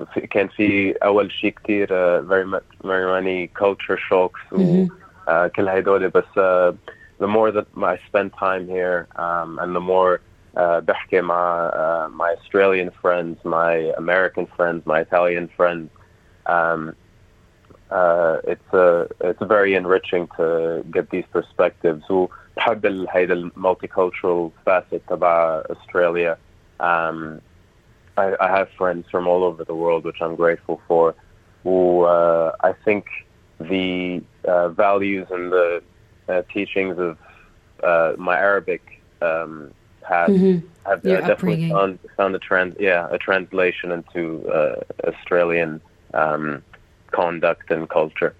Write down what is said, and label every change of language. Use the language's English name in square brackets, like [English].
[Arabic] كان في أول شيء كتير [English] very many culture shocks [Arabic] وكل هيدولي بس [English] the more that I spent time here and the more [Arabic] بحكي مع [English] my Australian friends, my American friends, my Italian friends. It's very enriching to get these perspectives. [Arabic] وبحب هيدا [English] multicultural facet [Arabic] تبع أستراليا. [English] I have friends from all over the world, which I'm grateful for. I think the values and the teachings of my Arabic have definitely found a translation into Australian conduct and culture.